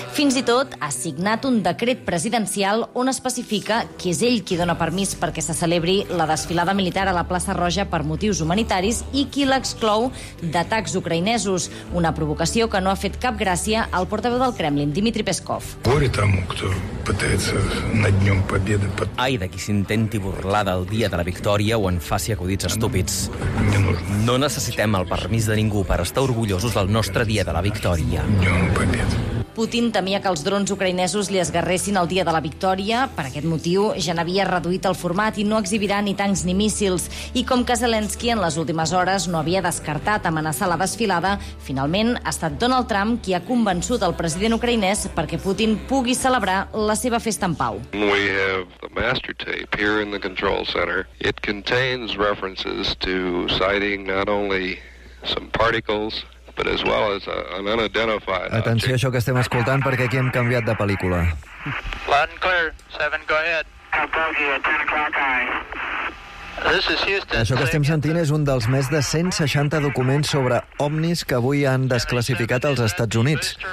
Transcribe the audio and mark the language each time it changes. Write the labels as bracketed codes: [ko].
[ca] Fins i tot ha signat un decret presidencial on especifica que és ell qui dona permís perquè se celebri la desfilada militar a la plaça Roja per motius humanitaris i qui l'exclou d'atacs ucraïnesos, una provocació que no ha fet cap gràcia al portaveu del Kremlin, Dmitri Peskov. [ru] Горе тому, кто пытается над днём победы... [ca] Ai, de qui s'intenti burlar del dia de la victòria o en faci acudits estúpids. No necessitem el permís de ningú per estar orgullosos del nostre dia de la victòria. Putin temia que els drons ucraïnesos li esgarressin el dia de la victòria. Per aquest motiu, ja n'havia reduït el format i no exhibirà ni tancs ni míssils. I com que Zelensky en les últimes hores no havia descartat amenaçar la desfilada, finalment ha estat Donald Trump qui ha convençut el president ucraïnès perquè Putin pugui celebrar la seva festa en pau. [en] We have the master tape here in the control center. It contains references to citing not only some particles... but as well as an unidentified... [ca] Atenció a això que estem escoltant, perquè aquí hem canviat de pel·lícula. [en] Loud and clear. Seven, go ahead. This is Houston. [ca] Això que estem sentint és un dels més de 160 documents sobre ovnis que avui han desclassificat als Estats Units.